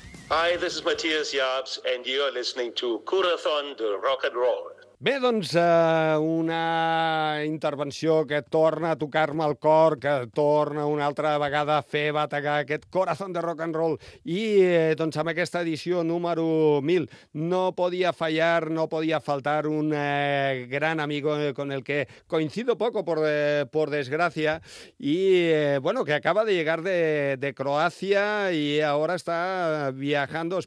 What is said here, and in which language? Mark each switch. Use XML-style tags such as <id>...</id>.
<en>Hi, this is Matthias Yabs, and you are listening to Corazón de Rock and Roll.</en> <ca>Bé, doncs, una intervenció que torna a tocar-me el cor, que torna una altra vegada a fer bategar aquest Corazón de Rock and Roll. I, doncs, amb aquesta edició número 1000 no podia fallar,</ca> <es>no podia faltar un gran amigo con el que coincido poco, por desgracia, y, bueno, que acaba de llegar de Croacia y ahora está viajando.</es>